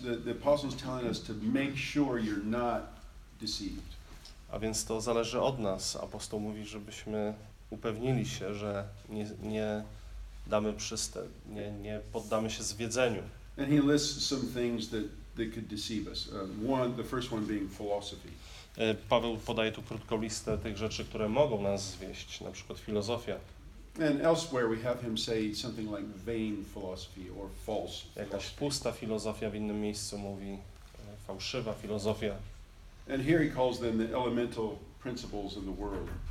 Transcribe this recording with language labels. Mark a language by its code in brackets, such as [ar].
[en] The apostle is telling us to make sure you're not deceived. [pl] A więc to zależy od nas. Apostoł mówi, żebyśmy upewnili się, że nie damy przystęp, nie poddamy się zwiedzeniu. [en] And he lists some things that could deceive us. One, the first one being philosophy. [pl] Paweł podaje tu krótką listę tych rzeczy, które mogą nas zwieść, na przykład filozofia. [en] And elsewhere we have him say something like vain philosophy or false. [pl] Jakaś pusta filozofia, w innym miejscu mówi fałszywa filozofia. [en] And here he calls them the elemental principles in the world.